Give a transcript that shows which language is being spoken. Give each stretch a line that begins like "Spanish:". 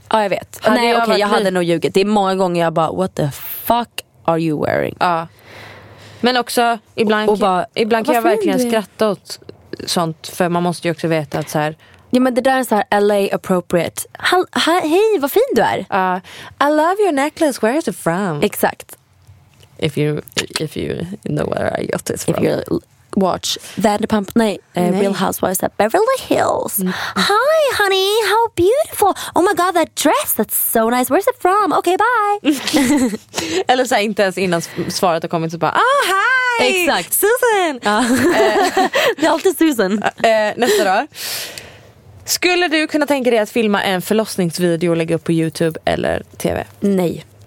Swedish: Ja, jag vet. Hade nog ljugit. Det är många gånger jag bara,
English: what the fuck are you wearing?
Swedish: Ja. Men också, ibland kan jag verkligen skratta åt sånt. För man måste ju också veta att så här... Ja, men det där är så här LA appropriate. Hej, vad fin du är.
English: I love your necklace, where is it from?
Swedish: Exakt.
English: If you know where I got this from. If you watch Vanderpump, Real Housewives at Beverly Hills. Hi honey, how beautiful. Oh my god, that dress, that's so nice. Where's it from? Okay, bye.
Swedish: Eller så här, inte ens innan svaret har kommit så bara,
English: oh hi.
Swedish: Exakt. Susan. Det är alltid Susan. Nästa då. Skulle du kunna tänka dig att filma en förlossningsvideo och lägga upp på YouTube eller TV? Nej.